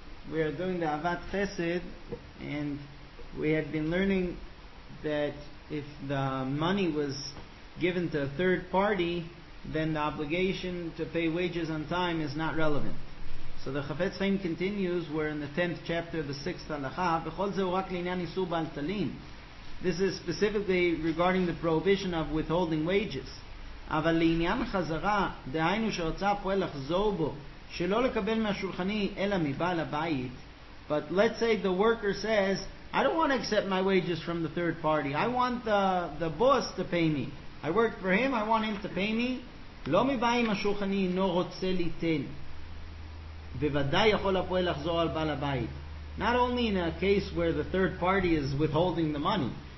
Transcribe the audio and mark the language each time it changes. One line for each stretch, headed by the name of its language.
English: we are doing the Avat Chesed, and we had been learning that if the money was given to a third party, then the obligation to pay wages on time is not relevant. So the Chafetz Chaim continues, we're in the 10th chapter, the 6th halacha.
Hebrew: V'chol zeh rak l'inyan isur bal talin.
English: This is specifically regarding the prohibition of withholding wages.
Hebrew: אבל לעניין חזרה, דהיינו שרצה פועל לחזור בו, שלא לקבל מהשולחני, אלא מבעל הבית.
English: But let's say the worker says, I don't want to accept my wages from the third party. I want the boss to pay me. I worked for him, I want him to pay me.
Hebrew: לא מבעל מהשולחני, אינו רוצה ליתן. בוודאי יכול הפועל לחזור על בעל הבית.
English: Not only in a case where the third party is withholding the money.